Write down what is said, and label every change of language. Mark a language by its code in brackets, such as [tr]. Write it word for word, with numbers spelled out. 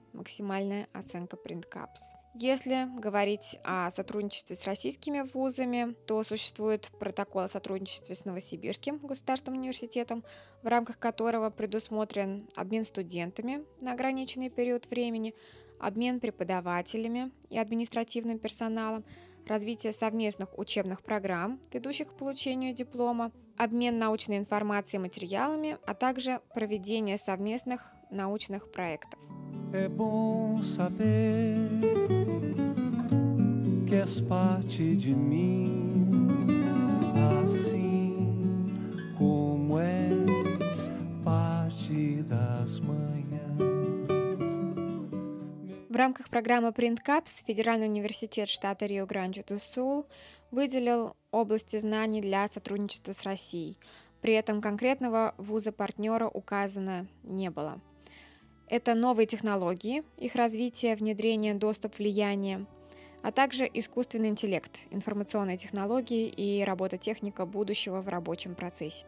[ru] Максимальная оценка PRINCAPS. Если говорить о сотрудничестве с российскими вузами, то существует протокол о сотрудничестве с Новосибирским государственным университетом, в рамках которого предусмотрен обмен студентами на ограниченный период времени, обмен преподавателями и административным персоналом, развитие совместных учебных программ, ведущих к получению диплома, обмен научной информацией и материалами, а также проведение совместных научных проектов. [pt] É bom saber que és parte de mim, assim como és parte das manhãs. [ru] В рамках программы PRINCAPS Федеральный университет штата Рио-Гранди-ду-Сул выделил области знаний для сотрудничества с Россией. При этом конкретного вуза-партнера указано не было. Это новые технологии, их развитие, внедрение, доступ, влияние, а также искусственный интеллект, информационные технологии и робототехника будущего в рабочем процессе.